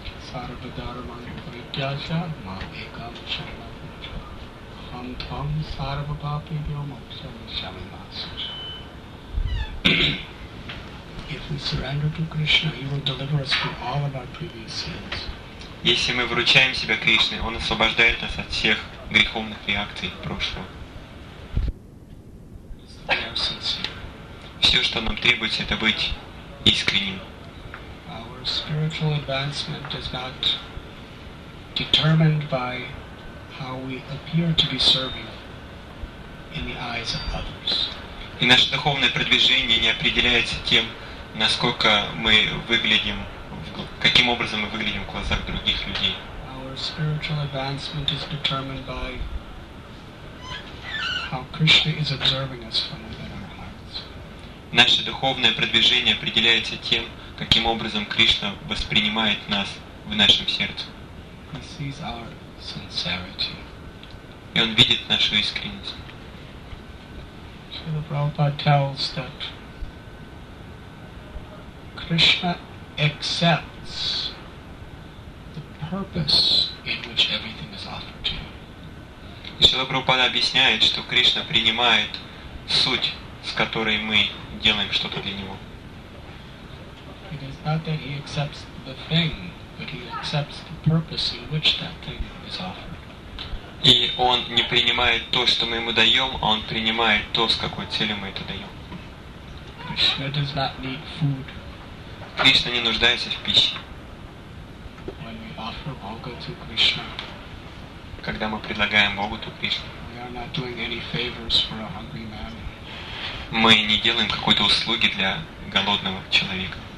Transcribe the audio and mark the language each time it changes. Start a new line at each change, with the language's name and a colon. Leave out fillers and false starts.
Sanskrit: Sarva-dharma-nipurityasya ma-ekam-sharma-pucha Ham-tham sarva-papi-vyo-moksha-vishami-masa-cha
English: If we surrender to Krishna, He will deliver us from all of our previous sins.
Russian: Если мы вручаем себя Кришне, Он освобождает нас от всех греховных реакций прошлого. Все, что нам требуется, это быть искренним.
English: Our spiritual advancement is not determined by how we appear to be serving in the eyes of others.
Russian: И наше духовное продвижение не определяется тем, насколько мы выглядим, каким образом мы выглядим в глазах других людей.
English: Our spiritual advancement is determined by how Krishna is observing us from within our hearts.
Russian: Наше духовное продвижение определяется тем, каким образом Кришна воспринимает нас в нашем сердце.
English: He sees our sincerity.
Russian: И Он видит нашу искренность.
English: Srila Prabhupada tells that Krishna accepts the purpose in which everything is offered to him.
Russian: Srila Prabhupada объясняет, что Кришна принимает суть, с которой мы делаем что-то для Него.
English: It is not that he accepts the thing, but he accepts the purpose in which that thing is offered.
Russian: И он не принимает то, что мы ему даем, а он принимает то, с какой целью мы это даем.
English: Krishna does not need food.
Russian: Кришна не нуждается в пище.
English: When we offer bhoga to Krishna,
Russian: когда мы предлагаем богату Кришне,
English: we are not doing any favors for a hungry man.
Russian: Мы не делаем какой-то услуги для голодного человека.